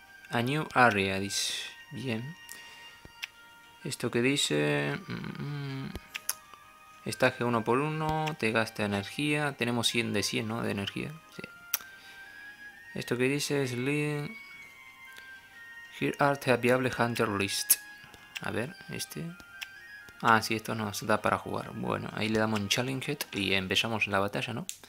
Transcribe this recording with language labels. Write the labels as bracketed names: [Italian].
[English] A new area, [Spanish] dice. Bien. Esto que dice... Estaje uno por uno, te gasta energía. Tenemos 100 de 100, ¿no? De energía. Sí. Esto que dice es... [English] Here are the viable hunter list. [Spanish] A ver, este... Ah, sí, esto nos da para jugar. Bueno, ahí le damos en Challenge it y empezamos la batalla, ¿no?